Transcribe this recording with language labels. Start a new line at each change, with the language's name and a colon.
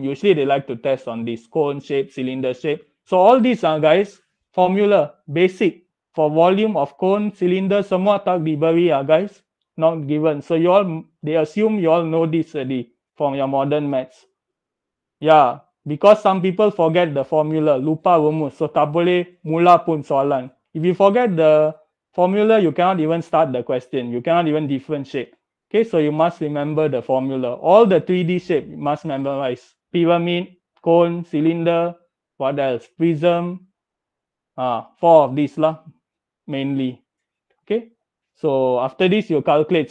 English: Usually, they like to test on this cone shape, cylinder shape. So, all these are, guys, formula, basic. For volume of cone, cylinder,
Malay: semua tak diberi,
English: guys. Not given. So, you all, they assume you all know this already from your modern maths. Yeah, because some people forget the formula.
Malay: Lupa rumus. So, tak boleh mula pun soalan.
English: If you forget the formula, you cannot even start the question. You cannot even differentiate. Okay, so you must remember the formula. All the 3D shape, you must memorize. Pyramid, cone, cylinder, what else? Prism. Four of these lah, mainly. Okay, so after this, you calculate.